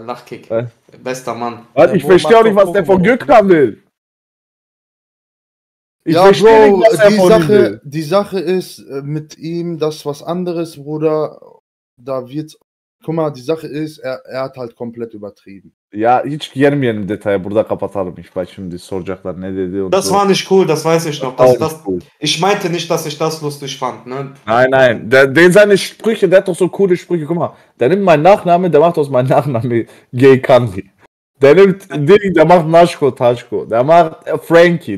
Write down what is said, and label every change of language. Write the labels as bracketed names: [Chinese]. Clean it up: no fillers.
[German] Lachkick. Bester Mann. Also, ich verstehe auch nicht, was der von Glück haben will. Ich ja, Bro, die Sache ist mit ihm das was anderes, Bruder. Da wird's. Guck mal, die Sache ist, er hat halt komplett übertrieben. [Turkish] Ja, hiç girmeyen detaya burada kapatalım. [German] Ich weiß [Turkish] şimdi soracaklar ne dedi. [German] Und das so. War nicht cool, das weiß ich noch. Das cool. Ich meinte nicht, dass ich das lustig fand. [Turkish] Ne? [German] Nein. Seine Sprüche, der hat doch so coole Sprüche. Guck mal, der nimmt meinen Nachnamen, der macht aus meinem Nachnamen Gay Candy. Der nimmt Ding, der macht Naschko, Taschko. Der macht Frankie.